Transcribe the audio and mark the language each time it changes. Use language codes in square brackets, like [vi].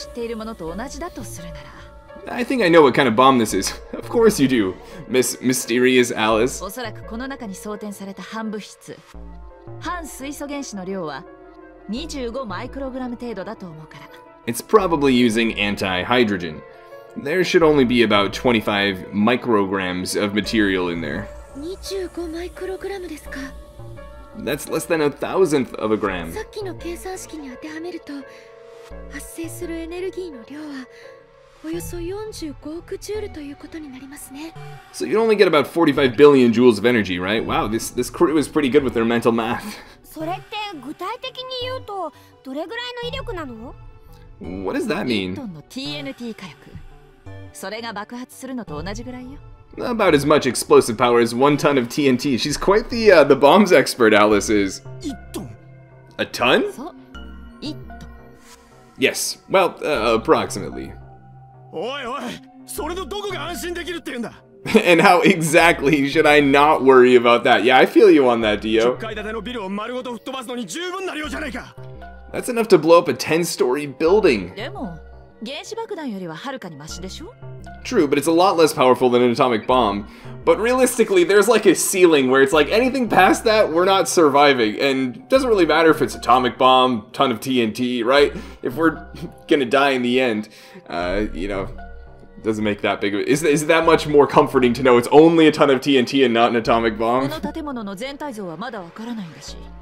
[en] I think I know what kind of bomb this is. Of course you do, Miss Mysterious Alice. [ja] おそらくこの中に装填された半物質。半水素原子の量は25マイクログラム程度だと思うから。 [en] It's probably using anti-hydrogen. There should only be about 25 micrograms of material in there. [ja] 25マイクログラムですか? [en] That's less than a thousandth of a gram. [ja] さっきの計算式に当てはめると、発生するエネルギーの量はおよそ45億ジュールということになりますね。 [en] So you only get about 45 billion joules of energy, right? Wow, this crew is pretty good with their mental math. [ja] それって具体的に言うとどれぐらいの威力なの? [en] What does that mean? [ja] 1トンの TNT 火薬。それが爆発するのと同じぐらいよ。 [en] About as much explosive power as 1 ton of TNT. She's quite the bombs expert, Alice is. [ja] 1トン。 [en] A ton? [ja] そう。1トン。 [en] Yes. Well, approximately. [ja] おいおい、それのどこが安心できるって言うんだ [en] And how exactly should I not worry about that? Yeah, I feel you on that, Dio. [ja] 10階建てのビルを丸ごと吹っ飛ばすのに十分な量じゃないか [en] That's enough to blow up a 10-story building. [ja] でも、原子爆弾よりははるかにマシでしょ [en] True, but it's a lot less powerful than an atomic bomb. But realistically, there's like a ceiling where it's like anything past that, we're not surviving. And it doesn't really matter if it's atomic bomb, ton of TNT, right? If we're gonna die in the end, you know, doesn't make that big of it. Is that much more comforting to know it's only a ton of TNT and not an atomic bomb? [ja] この建物の全体像はまだわからないんだし。